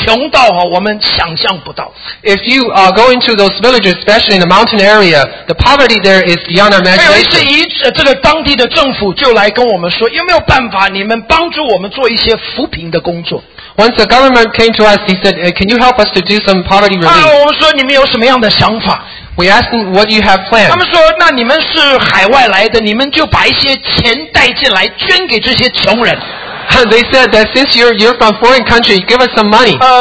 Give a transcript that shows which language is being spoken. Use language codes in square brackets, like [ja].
[zh] 而且你到农村，特别到山里面呢，你就会发现，真的是有一些人是穷到我们想象不到。 [en] If you go into those villages, especially in the mountain area, the poverty there is beyond our imagination. [zh] 还有一些，这个当地的政府就来跟我们说，有没有办法你们帮助我们做一些扶贫的工作？ [en] Once the government came to us, he said, can you help us to do some poverty relief? [zh] 我们说你们有什么样的想法？ [en] We asked them, what do you have planned? [zh] 他们说，那你们是海外来的，你们就把一些钱带进来捐给这些穷人。 [en] They said that since you're from foreign country, give us some money.